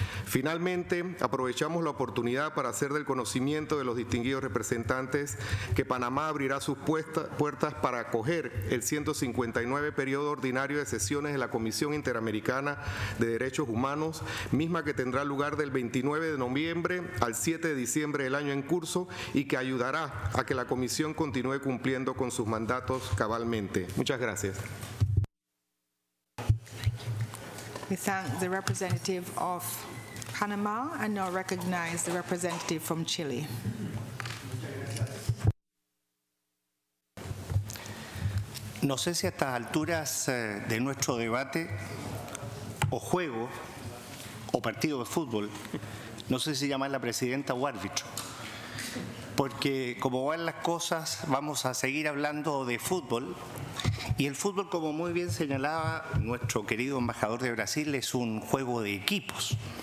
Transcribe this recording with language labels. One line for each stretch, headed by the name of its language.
Spanish: Finalmente, aprovechamos la oportunidad para hacer del conocimiento de los distinguidos representantes que Panamá abrirá sus puertas para acoger el 159 periodo ordinario de sesiones de la Comisión Interamericana de Derechos Humanos, misma que tendrá lugar del 29 de noviembre al 7 de diciembre del año en curso y que ayudará a que la Comisión continúe cumpliendo con sus mandatos cabalmente. Muchas gracias.
English: We thank the representative of Panama and now recognize the representative from Chile.
Spanish: No sé si a estas alturas de nuestro debate o juego o partido de fútbol, no sé si llamar a la presidenta o árbitro, porque como van las cosas vamos a seguir hablando de fútbol y el fútbol, como muy bien señalaba nuestro querido embajador de Brasil, es un juego de equipos